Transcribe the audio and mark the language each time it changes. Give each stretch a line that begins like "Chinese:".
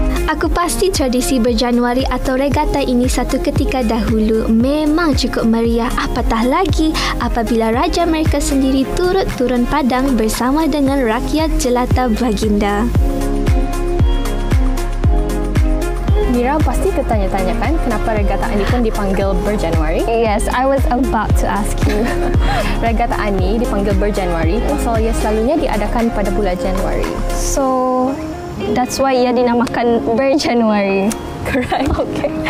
Malay: Aku pasti tradisi berjanuari atau regata ini satu ketika dahulu memang cukup meriah, apatah lagi apabila raja mereka sendiri turut turun padang bersama dengan rakyat jelata baginda. Mira pasti tertanya-tanya kan kenapa regata ini pun dipanggil berjanuari?
English: Yes, I was about to ask you.
Malay: Regata ini dipanggil berjanuari pasal ia selalunya diadakan pada bulan Januari.
English: So... that's why
Malay: ia dinamakan berJanuari.
English: Correct. Okay.